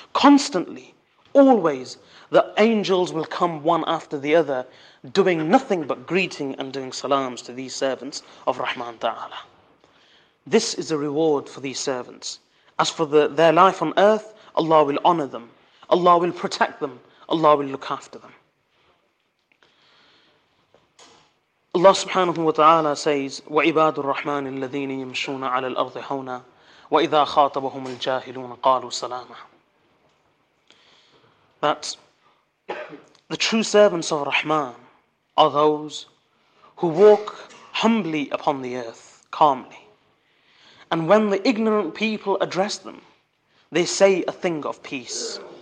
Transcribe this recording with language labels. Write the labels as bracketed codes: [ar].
[en] Constantly, always, the angels will come one after the other, doing nothing but greeting and doing salams to these servants of Rahman Ta'ala. This is a reward for these servants. As for their life on earth, Allah will honor them. Allah will protect them. Allah will look after them. Allah subhanahu wa ta'ala says, [ar] وَعِبَادُ الرَّحْمَانِ الَّذِينِ يَمْشُونَ عَلَى الْأَرْضِ هَوْنَا وَإِذَا خَاطَبَهُمُ الْجَاهِلُونَ قَالُوا سَلَامًا. [en] That the true servants of Rahman are those who walk humbly upon the earth, calmly. And when the ignorant people address them, they say a thing of peace.